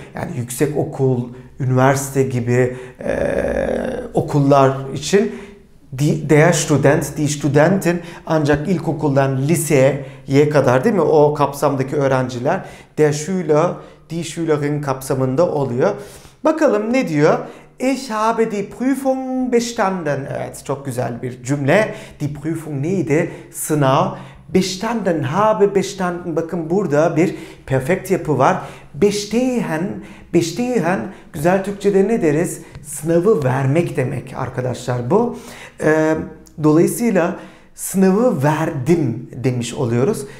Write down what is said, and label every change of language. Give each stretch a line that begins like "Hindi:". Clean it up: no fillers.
Turkish: Yani yüksek okul, üniversite gibi okullar için
German: Der Student, die Studentin,
Turkish: ancak ilkokuldan liseye kadar, değil mi? O kapsamdaki öğrenciler
German: Der Schüler, die Schülerin
Turkish: kapsamında oluyor. Bakalım ne diyor?
German: Ich habe die Prüfung bestanden.
Turkish: Evet, çok güzel bir cümle.
German: Die Prüfung
Turkish: neydi? Sınav. Bestanden,
German: habe bestanden.
Turkish: Bakın burada bir perfekt yapı var. Bestehen, bestehen. Güzel Türkçe'de ne deriz? Sınavı vermek demek arkadaşlar bu. Dolayısıyla sınavı verdim demiş oluyoruz.